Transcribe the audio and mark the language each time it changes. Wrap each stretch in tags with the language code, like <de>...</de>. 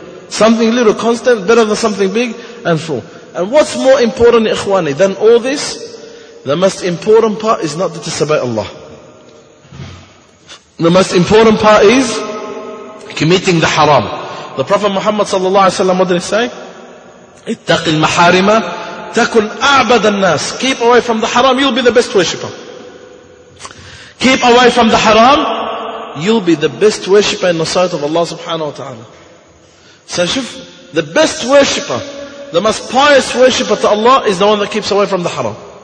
<en>Something little, constant, better than something big, and fall. And what's more important, ikhwani, than all this? The most important part is not to disobey Allah. The most important part is committing the haram. The Prophet Muhammad sallallahu alaihi wasallam, what did he say?</en> <ar>اتق المحارم تكن أعبد الناس.</ar> <en>Keep away from the haram, you'll be the best worshipper. Keep away from the haram, you'll be the best worshipper in the sight of Allah subhanahu wa ta'ala. So shuf, the best worshipper, the most pious worshipper to Allah is the one that keeps away from the haram.</en>